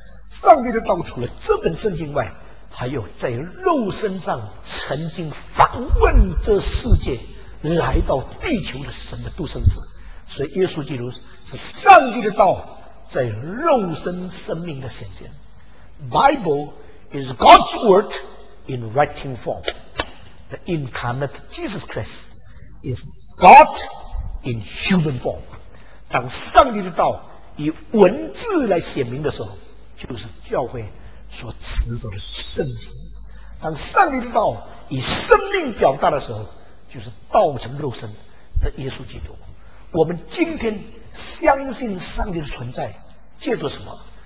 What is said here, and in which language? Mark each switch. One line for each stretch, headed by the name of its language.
Chinese: 上帝的道除了这本圣经外，还有在肉身上曾经访问这世界来到地球的神的独生子。所以耶稣基督是上帝的道在肉身生命的显现。
English: Bible is God's word in writing form. The incarnate Jesus Christ is God in human form.
Chinese: 当上帝的道以文字来显明的时候，就是教会所持守的圣经。当上帝的道以生命表达的时候，就是道成肉身的耶稣基督。我们今天相信上帝的存在，借助什么？